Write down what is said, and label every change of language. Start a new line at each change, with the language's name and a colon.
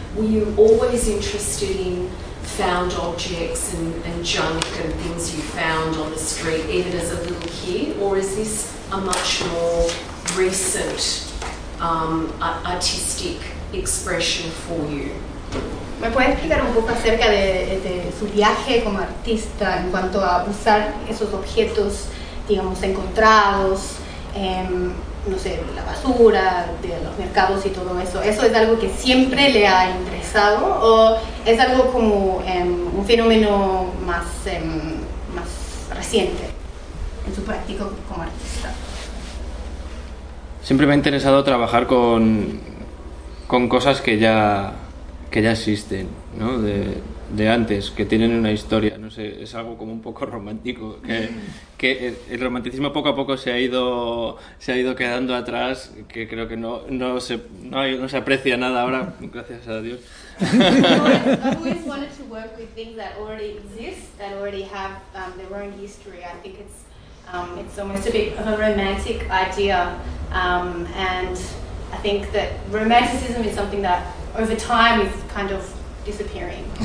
English: Were you always interested in found objects and junk and things you found on the street, even as a little kid, or is this a much more recent artistic expression for you?
Spanish: ¿Me puedes explicar un poco acerca de su viaje como artista en cuanto a usar esos objetos, digamos, encontrados, no sé, la basura, de los mercados y todo eso? ¿Eso es algo que siempre le ha interesado o es algo como un fenómeno más, más reciente en su práctica como artista? Siempre me ha interesado trabajar con cosas que ya existen, ¿no? De antes, que tienen una historia. No sé, es algo como un poco romántico, que el romanticismo poco a poco se ha ido quedando atrás, que creo que no se aprecia nada ahora, gracias a Dios.
English: I've always wanted to work with things that already exist, that already have their own history. I think it's almost a bit of a romantic idea, and I think that romanticism is something that over time is kind of disappearing.